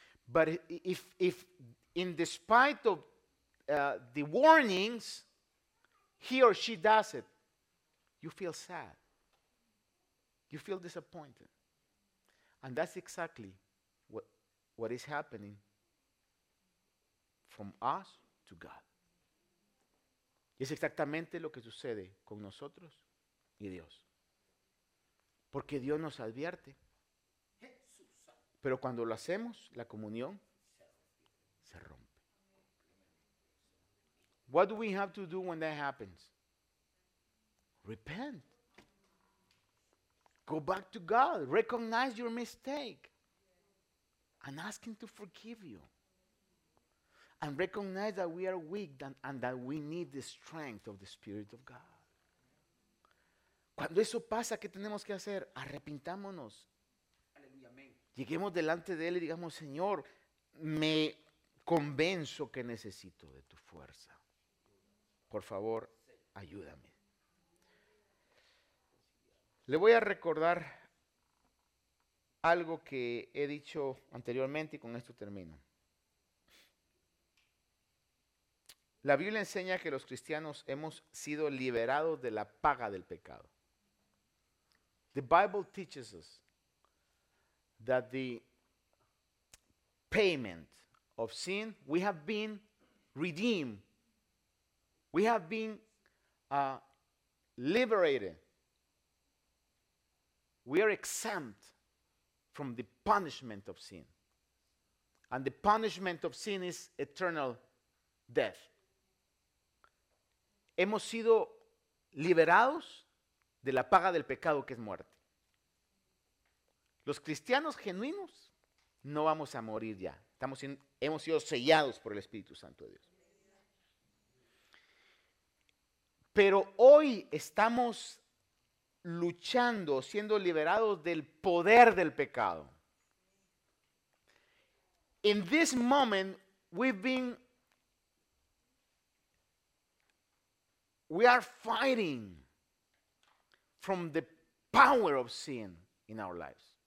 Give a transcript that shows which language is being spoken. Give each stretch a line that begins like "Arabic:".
English: But if in despite of the warnings, he or she does it, you feel sad. You feel disappointed. And that's exactly what is happening from us to God.
Spanish: Y es exactamente lo que sucede con nosotros y Dios. Porque Dios nos advierte. Pero cuando lo hacemos, la comunión se rompe.
English: What do we have to do when that happens? Repent. Go back to God. Recognize your mistake. And ask Him to forgive you. And recognize that we are weak and that we need the strength of the Spirit of God.
Spanish: Cuando eso pasa, ¿qué tenemos que hacer? Arrepintámonos. Aleluya, amén. Lleguemos delante de Él y digamos, Señor, me convenzo que necesito de tu fuerza. Por favor, ayúdame. Le voy a recordar algo que he dicho anteriormente y con esto termino. La Biblia enseña que los cristianos hemos sido liberados de la paga del pecado.
English: The Bible teaches us that the payment of sin, we have been redeemed. We have been liberated. We are exempt from the punishment of sin. And the punishment of sin is eternal death.
Spanish: Hemos sido liberados de la paga del pecado, que es muerte. Los cristianos genuinos no vamos a morir ya. Hemos sido sellados por el Espíritu Santo de Dios. Pero hoy estamos luchando, siendo liberados del poder del pecado.
English: In this moment, we are fighting from the power of sin in our lives.